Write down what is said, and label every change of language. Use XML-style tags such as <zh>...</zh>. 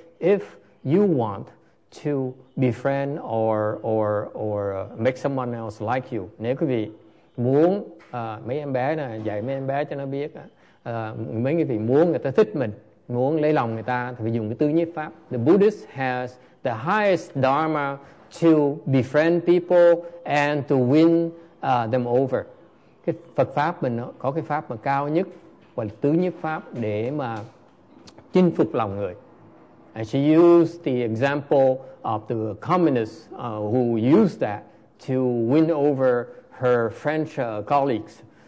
<en>If you want to befriend or make someone else like you,</en> <vi>nếu quý vị muốn mấy em bé này, dạy mấy em bé cho nó biết, mấy quý vị muốn người ta thích mình, muốn lấy lòng người ta thì phải dùng cái tứ nhiếp pháp.</vi> <en>The Buddhist has the highest dharma to befriend people and to win them over.</en> <vi>Cái Phật pháp mình có cái pháp mà cao nhất gọi là tứ nhiếp pháp để mà chinh phục lòng người.</vi> <en>And she used the example of the communists who used that to win over her French colleagues.</en>